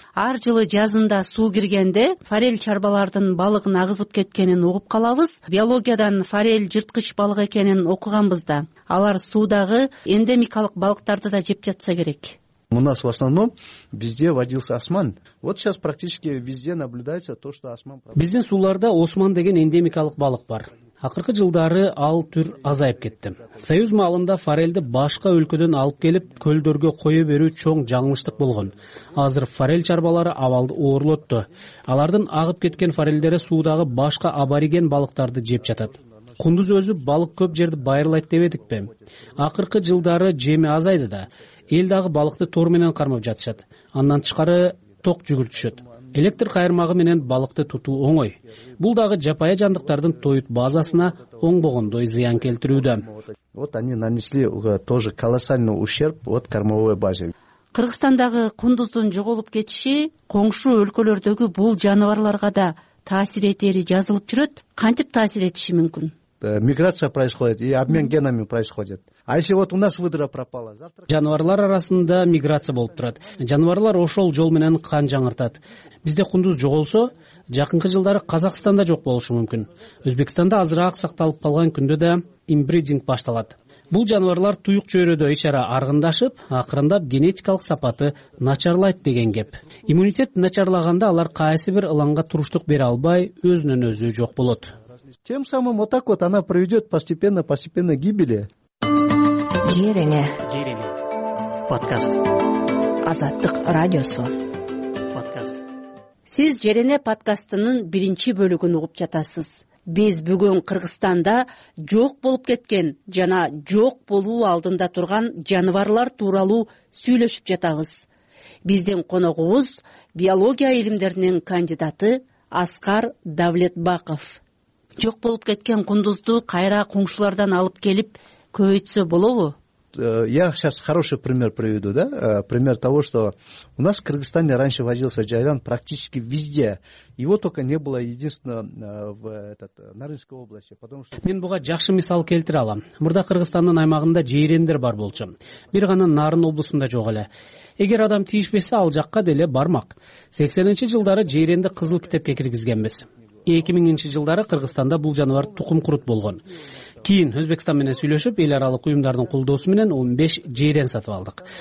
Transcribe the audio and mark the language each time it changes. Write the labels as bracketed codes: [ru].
[ky] Ар жылы жазында суу киргенде форель чарбалардын балыгын агызып кеткенин угуп калабыз. Биологиядан форель жырткыч балык экенин окуганбыз да. Алар суудагы эндемикалык балыктарды да жеп жатса керек. [ru] У нас в основном везде водился осман. Вот сейчас практически везде наблюдается то, что осман. [ky] Биздин сууларда осман деген эндемикалык балык бар. Акыркы жылдары ал түр азайып кетти. Союз маалында форельди башка өлкөдөн алып келип, көлдөргө кое берүү чоң жаңылыштык болгон. Азыр форель чарбалары абалды оорлотту. Алардын агып кеткен форельдери суудагы башка абориген балыктарды жеп жатат. Кундуз өзү балык көп жерди байырлайт деп эдикпи? Акыркы жылдары жеми азайды да. Эл дагы балыкты тор менен кармап жатышат. Андан тышкары ток жүгүртүшөт. Электр кайырмагы менен балыкты тутуу оңой. Бул дагы жапайы жандыктардын тоют базасына оңбогондой зыян келтирүүдө. [ru] Вот они нанесли тоже колоссальный ущерб от кормовой базе. [ky] Кыргызстандагы кундуздун жоголуп кетиши коңшу өлкөлөрдөгү бул жаныбарларга да таасир этери жазылып жүрөт. Кантип таасир этиши мүмкүн? [ru] Миграция происходит и обмен генами происходит. А если вот у нас выдра пропала, завтра [ky] жаныбарлар арасында миграция болуп турат. Жаныбарлар ошол жол менен кан жаңыртат. Бизде кундуз жоголсо, жакынкы жылдары Казакстанда жок болушу мүмкүн. Өзбекстанда азыраак сакталып калган күндө да имбридинг башталат. Бул жаныбарлар туюк чөйрөдө ишара аргындашып, акырындап генетикалык сапаты начарлайт деген кеп. Иммунитет начарлаганда алар кайсы бир ылаңга туруштук бере албай, өзүнөн өзү жок болот. [ru] Тем самым вот так вот она приведет постепенно к гибели. [ky] Жерене. Жерене. Подкаст. Азаттык радиосу. Подкаст. Сиз Жерене подкастынын биринчи бөлүгүн угуп жатасыз. Биз бүгүн Кыргызстанда жок болуп кеткен жана жок болуу алдында турган жаныбарлар тууралуу сүйлөшүп жатабыз. Биздин коногубуз биология илимдеринин кандидаты Аскар Давлетбаков. Жок болуп кеткен кундузду кайра коңшулардан алып келип көбөйтсө болобу? [ru] Я сейчас хороший пример приведу, да? Пример того, что у нас в Кыргызстане раньше возился жайран практически везде. Его только не было единственно в Нарынской области. [ky] Мен буга жакшы мисал келтире алам. Мурда Кыргызстандын аймагында жейрендер бар болчу. Бир гана Нарын облусунда жок эле. Эгер адам тийишпесе ал жакка деле бармак. 80-нчи жылдары жейренди кызыл китепке киргизгенбиз. 2000-нчи жылдары Кыргызстанда бул жаныбар тукум курут болгон. Кийин Өзбекстан менен сүйлөшүп, эл аралык уюмдардын колдоосу менен 15 жейрен сатып алдык.